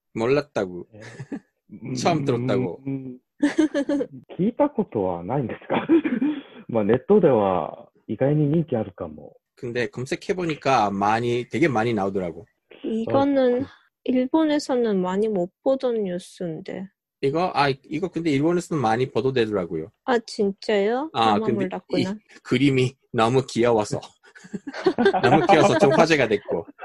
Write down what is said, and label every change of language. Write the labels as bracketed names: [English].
[Korean] 몰랐다고 처음들었다고 [Japanese] 聞いたことはないんですか まあネットでは意外に人気あるかも [Korean] 근데검색해보니까많이되게많이나오더라고 이거는 일본에서는많이못보던뉴스인데 이거아이거근데일본에서는많이보도되더라고요 아진짜요아근데이 그림이너무귀여워서 너무귀여워서좀화제가됐고